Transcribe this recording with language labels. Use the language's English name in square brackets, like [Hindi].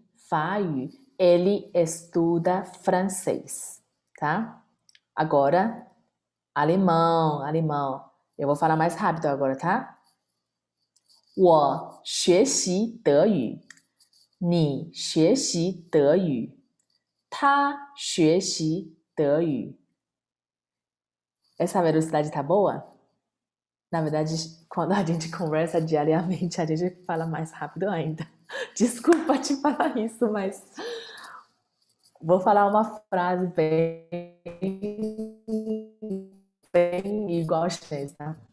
[Portuguese] 法语，ele estuda francês, tá? Agora, alemão, alemão. Eu vou falar mais rápido agora, tá? [Chinese] 我学习德语，你学习德语，他学习德语。 [Portuguese] Essa velocidade tá boa? Na verdade, quando a gente conversa diariamente, a gente fala mais rápido ainda. Desculpa te falar isso, mas vou falar uma frase bem igual a chinês, tá?